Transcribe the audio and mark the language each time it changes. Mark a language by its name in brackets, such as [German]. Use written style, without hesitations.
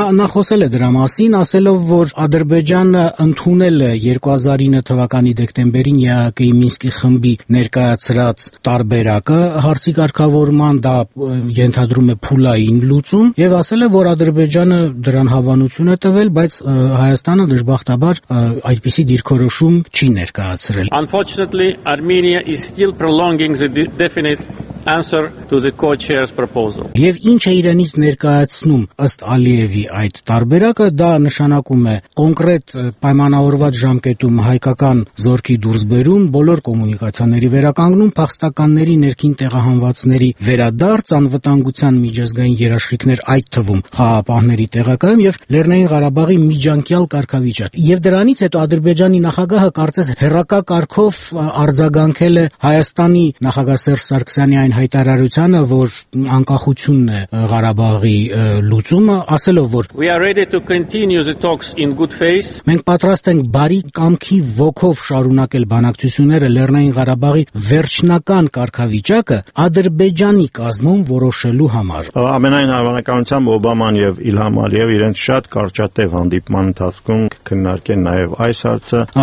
[Armenian] Նա խոսել է դրա մասին, ասելով, որ Ադրբեջանը ընդունել է 2009 թվականի դեկտեմբերին ԵԱԿ-ի Մինսկի խմբի ներկայացրած տարբերակը հարցի կարգավորման, դա ենթադրում է փուլային լուծում, եւ ասել է, որ Ադրբեջանը դրան հավանություն է տվել, բայց Հայաստանը դժբախտաբար այդպիսի դիրքորոշում չի ներկայացրել։ [English] Unfortunately, Armenia is still prolonging the definite answer to the co-chair's proposal. [Armenian] Եվ ինչ է իրենից ներկայացնում ըստ Ալիևի այդ տարբերակը, դա նշանակում է կոնկրետ պայմանավորված ժամկետում հայկական զորքի դուրսբերում, բոլոր կոմունիկացիաների վերականգնում, փախստականների ներքին տեղահանվածների վերադարձ, անվտանգության միջազգային երաշխիքներ, այդ թվում խաղապահների տեղակայում եւ Լեռնային Ղարաբաղի միջանկյալ կարգավիճակ։ Եվ դրանից հետո Ադրբեջանի նախագահը կարծես հերակա կարգով արձագանքել է Հայաստանի նախագահ Սերժ Սարգսյանի այն հայտարարությունը, որ անկախությունն է Ղարաբաղի լուծումը, ասելով, որ [English] We are ready to continue the talks in good faith. [Armenian] Մենք պատրաստ ենք բարի կամքի ոգով շարունակել բանակցությունները Լեռնային Ղարաբաղի վերջնական կարգավիճակը Ադրբեջանի կազմում որոշելու համար։ Ամենայն հավանականությամբ Օբաման եւ Իլհամ Ալիև իրենց շատ կարճատև հանդիպման ընթացքում քննարկեն նաեւ այս հարցը։